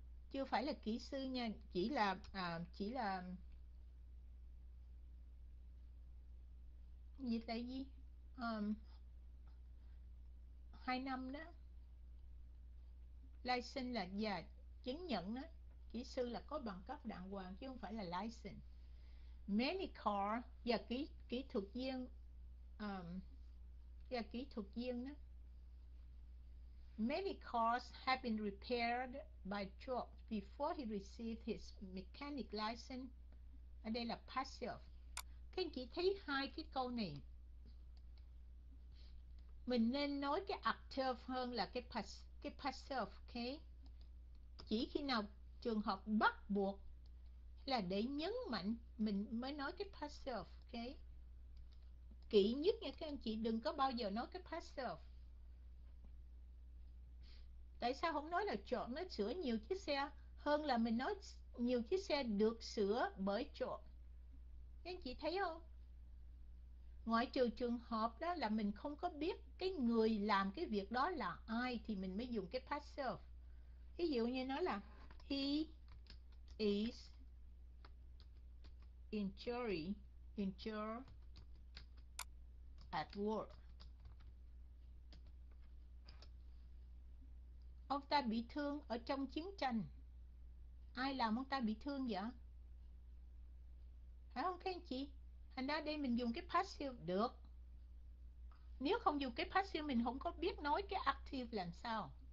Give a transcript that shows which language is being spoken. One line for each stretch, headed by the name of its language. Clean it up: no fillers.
Vietnamese: Chưa phải là kỹ sư nha, chỉ là chỉ là gì tại gì 2 năm đó, license là và chứng nhận đó, kỹ sư là có bằng cấp đàng hoàng chứ không phải là license. Medical và kỹ thuật viên và kỹ thuật viên đó.
English: Many cars have been repaired by Job before he received his mechanic license.
Vietnamese: Ở đây là passive. Các anh chị thấy hai cái câu này, mình nên nói cái active hơn là cái passive, okay? Chỉ khi nào trường hợp bắt buộc là để nhấn mạnh mình mới nói cái passive, okay? Kỹ nhất nha các anh chị, đừng có bao giờ nói cái passive. Tại sao không nói là chọn nó sửa nhiều chiếc xe hơn là mình nói nhiều chiếc xe được sửa bởi chọn? Các anh chị thấy không? Ngoại trừ trường hợp đó là mình không có biết cái người làm cái việc đó là ai thì mình mới dùng cái passive. Ví dụ như nói là he is injured at work. Ông ta bị thương ở trong chiến tranh. Ai làm ông ta bị thương vậy? Phải không các anh chị? Thành ra đây mình dùng cái passive được. Nếu không dùng cái passive mình không có biết nói cái active làm sao.